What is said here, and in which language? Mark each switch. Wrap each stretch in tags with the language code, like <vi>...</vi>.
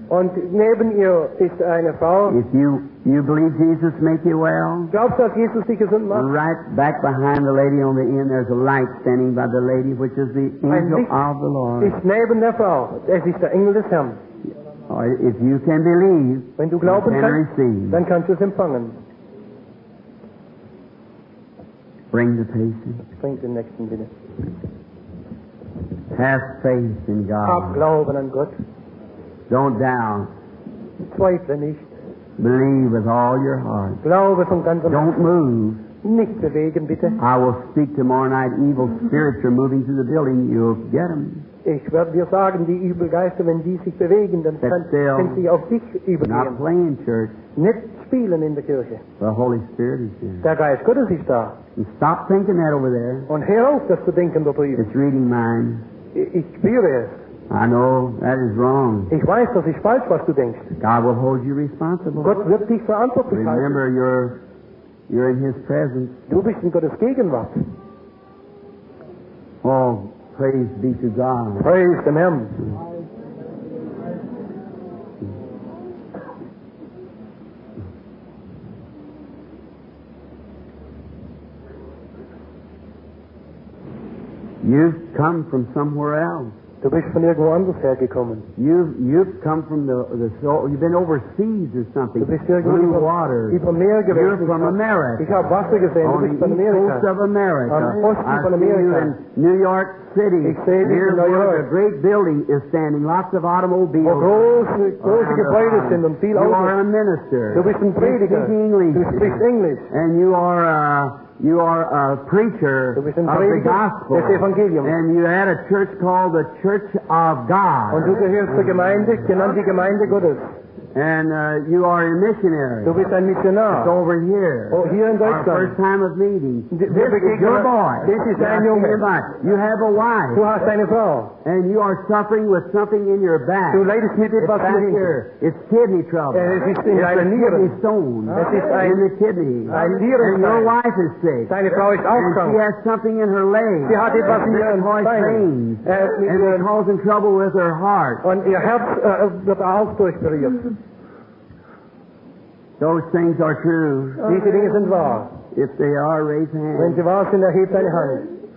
<de>Und neben ihr ist eine Frau.</de> <en>If you believe Jesus make you well.</en> <de>Glaubst du, dass Jesus dich gesund macht?</de> <en>Right back behind the lady on the end, there's a light standing by the lady, which is the angel of the Lord.</en> <de>Ist neben der Frau. Es ist der Engel des Herrn.</de> <en>Or if you can believe,</en> <de>wenn du glauben</de> <en>you can receive.</en> <de>Dann kannst du es empfangen.</de> <en>Bring the patient. Bring the next one,</en> <de>bitte.</de> <en>Have faith in God.</en> <de>Hab Glauben an Gott.</de> <en>Don't doubt.</en> <de>Zweifle nicht.</de> <en>Believe with all your heart.</en> <de>Glaube von ganzem Herzen.</de> <en>Don't move.</en> <de>Nicht bewegen, bitte.</de> <en>I will speak tomorrow night. Evil spirits are moving through the building. You'll get them.</en> <de>Ich werde dir sagen, die Übelgeister, wenn die sich bewegen, dann können sie auf dich übergehen.</de> <en>Not playing church.</en> <de>Nicht spielen in der Kirche.</de> <en>The Holy Spirit is here.</en> <de>Der Geist Gottes ist da.</de> <en>And stop thinking that over there.</en> <de>Und hör auf, das zu denken dort drüben.</de> <en>It's reading mine.</en> <de>Ich spüre es.</de> <en>I know that is wrong.</en> <de>Ich weiß, das ist falsch, was du denkst.</de> <en>God will hold you responsible.</en> <de>Gott wird dich verantwortlich halten.</de> <en>Remember, you're in His presence.</en> <de>Du bist in Gottes Gegenwart.</de> <en>Oh, praise be to God. Praise to Him. You've come from somewhere else.</en> <de>Du bist von irgendwo anders hergekommen.</de> <en>You've come from the soil. You've been overseas or something.</en> <de>Du bist irgendwo</de> <en>blue water.</en> <de>Über Meer gewesen.</de> <en>You're from America.</en> <de>Ich habe Wasser gesehen. Du bist von Amerika.</de> <en>On the coast of America.</en> <de>Am Osten von Amerika.</de> <en>I see you in New York City.</en> <de>Ich sehe dich in New York.</de> <en>A great building is standing. Lots of automobiles.</en> <de>Oh, große Gebäude sind und viele Autos.</de> <en>You are a minister.</en> <de>Du bist ein Prediger.</de> <en>You speak English.</en> <de>Du sprichst Englisch.</de> <en>And you are a preacher of the gospel.</en> <de>Des Evangelium.</de> <en>And you had a church called the Church of God.</en> <de>Und du gehörst zur Gemeinde, genannt die Gemeinde Gottes.</de> <en>And you are a missionary.</en> <de>Du bist ein Missionar.</de> <en>It's over here. Oh, here in Deutschland. Our first time of meeting. This is your boy. This is your boy. You have a wife.</en> <de>Du hast eine Frau.</de> <en>And you are suffering with something in your back.</en> <de>Du leidest mit etwas in dir.</de> <en>It's kidney trouble. It's a kidney stone. Oh. In the kidney.</en> <de>Ein Nierenstein.</de> <en>And your wife is sick.</en> <de>Deine Frau ist auch krank.</de> <en>And she has something in her leg.</en> <de>Sie hat etwas in ihren Beinen.</de> <en>And it causes trouble with her heart.</en> <de>Und ihr Herz wird auch durchdreht.</de> <en>Those things are true.</en> <de>Diese Dinge sind wahr.</de> <en>If they are, raise hands.</en> <de>Wenn sie wahr sind, erhebt deine Hand.</de>